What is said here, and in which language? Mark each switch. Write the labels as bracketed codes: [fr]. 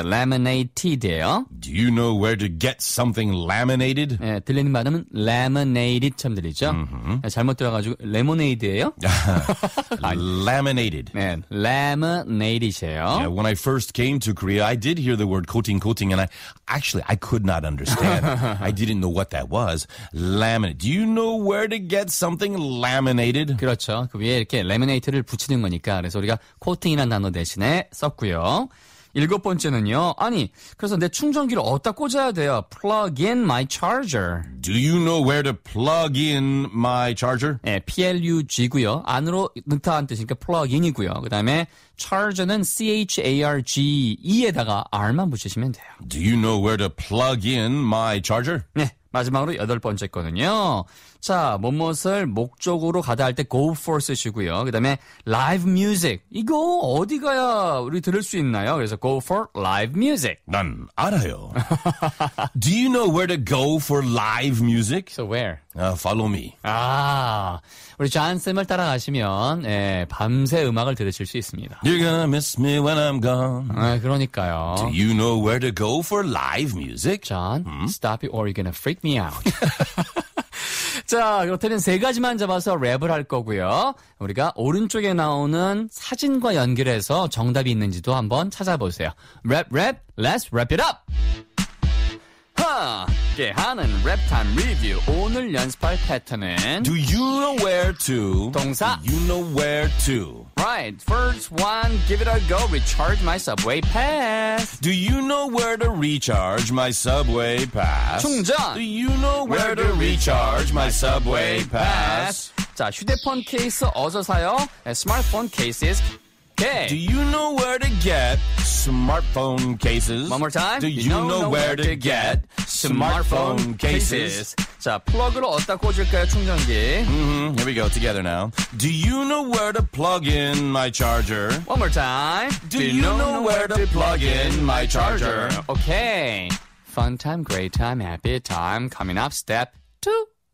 [ko] Laminated예요. [en] Do you know where to get something laminated? [ko] 네, 들리는 발음은 laminated처럼 들리죠. Mm-hmm. 잘못 들어가지고 레모네이드예요. [en] Laminated. [ko] 네, laminated이에요. [en] Yeah, when I first came to Korea, I did hear the word coating, and I could not understand. I didn't know what that was. Laminate. Do you know where to get something laminated? [ko] 그렇죠. 그 위에 이렇게 laminate를 붙이는 거니까. 그래서 우리가 코팅이라는 단어 대신에 썼고요. 일곱 번째는요. 아니, 그래서 내 충전기를 어디다 꽂아야 돼요? [en] Plug in my charger. Do you know where to plug in my charger? [ko] 네, P-L-U-G고요. 안으로 넣다는 뜻이니까 plug in이고요. 그 다음에 charger는 C-H-A-R-G-E에다가 R만 붙이시면 돼요. [en] Do you know where to plug in my charger? [ko] 네. 마지막으로 여덟 번째 거는요. 자, 뭇뭇을 목적으로 가다 할 때 go for 쓰시고요. 그 다음에 [en] live music. [ko] 이거 어디 가야 우리 들을 수 있나요? [en] 그래서 go for live music. [ko] 난 알아요. [en] Do you know where to go for live music? So where? Follow me. [ko] 아, 우리 존쌤을 따라가시면 예, 밤새 음악을 들으실 수 있습니다. [en] You're gonna miss me when I'm gone. [ko] 아, 그러니까요. [en] Do you know where to go for live music? John, stop it or you're gonna freak me out. [ko] 자, 그렇다면 세 가지만 잡아서 랩을 할 거고요. 우리가 오른쪽에 나오는 사진과 연결해서 정답이 있는지도 한번 찾아보세요. [en] Rap, rap, let's wrap it up! [ko] 하! 함께 하는 랩타임 리뷰. 오늘 연습할 패턴은 [en] Do you know where to? [ko] 동사 [en] Do you know where to? Right, first one, give it a go, recharge my subway pass. Do you know where to recharge my subway pass? [ko] 충전! [en] Do you know where to recharge my subway pass? [ko] 자, 휴대폰 케이스 어디서 사요? 네, 스마트폰 케이스 Okay. [en] Do you know where to get smartphone cases? One more time. Do you, you know where to get smartphone cases? [ko] 자, 플러그로 어디다 꽂을까요, 충전기? [en] Mm-hmm. Here we go, together now. Do you know where to plug in my charger? One more time. Do you know where to plug in my charger? Okay. Fun time, great time, happy time. Coming up, step two.